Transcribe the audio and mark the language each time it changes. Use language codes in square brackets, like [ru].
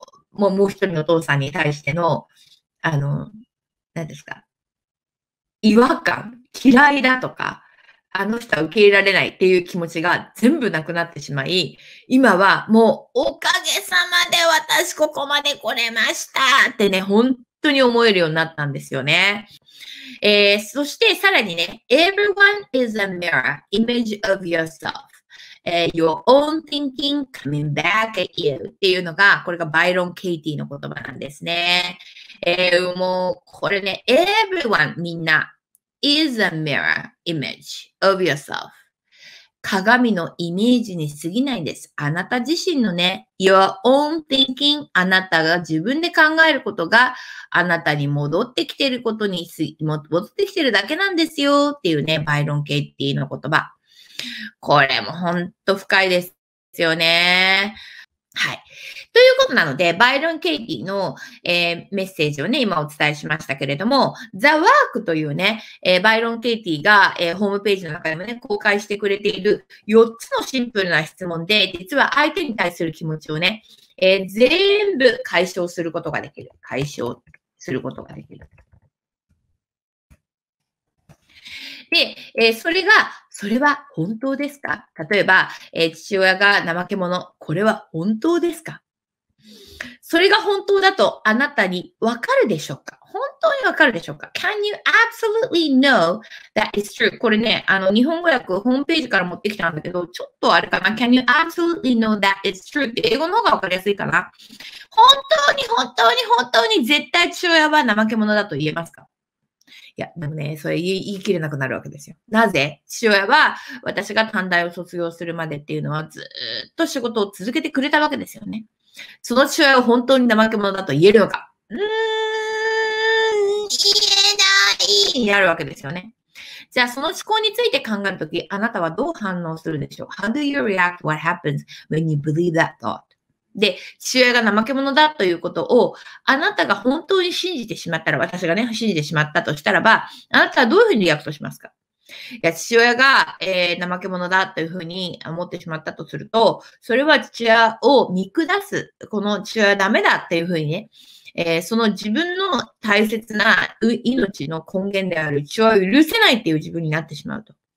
[ja] もう一人のお父さんに対しての、何ですか、違和感、嫌いだとか、あの人は受け入れられないっていう気持ちが全部なくなってしまい、今はもうおかげさまで私ここまで来れましたってね、本当に思えるようになったんですよね。そしてさらにね、 [en] Everyone is a mirror, image of yourself. Your own thinking coming back at you [ja] っていうのが、これがバイロン・ケイティの言葉なんですね。もうこれね、 [en] Everyone [ja] みんな、 [en] is a mirror image of yourself. [ja] 鏡のイメージに過ぎないんです。あなた自身のね、 [en] your own thinking, [ja] あなたが自分で考えることがあなたに戻ってきてることに、戻ってきてるだけなんですよっていうね、バイロン・ケイティの言葉。これもほんと深いですよね。はい。ということなので、バイロン・ケイティの、メッセージをね、今お伝えしましたけれども、ザ・ワークというね、バイロン・ケイティが、ホームページの中でもね、公開してくれている4つのシンプルな質問で、実は相手に対する気持ちをね、全部解消することができる。解消することができる。で、それは本当ですか？例えば、父親が怠け者、これは本当ですか？それが本当だとあなたにわかるでしょうか？本当にわかるでしょうか？ [en] Can you absolutely know that it's true? [ja] これね、日本語訳ホームページから持ってきたんだけど、ちょっとあれかな？ [en] Can you absolutely know that it's true? [ja] って英語の方がわかりやすいかな？本当に本当に本当に絶対父親は怠け者だと言えますか？いや、でもね、それ言い切れなくなるわけですよ。なぜ？父親は私が短大を卒業するまでっていうのはずっと仕事を続けてくれたわけですよね。その父親は本当に怠け者だと言えるのか？言えないになるわけですよね。じゃあその思考について考えるとき、あなたはどう反応するでしょう？ [en] How do you react what happens when you believe that thought? [ja] で、父親が怠け者だということを、あなたが本当に信じてしまったら、私がね、信じてしまったとしたらば、あなたはどういうふうにリアクトしますか？いや、父親が、怠け者だというふうに思ってしまったとすると、それは父親を見下す、この父親はダメだっていうふうにね、その自分の大切な命の根源である父親を許せないっていう自分になってしまうと。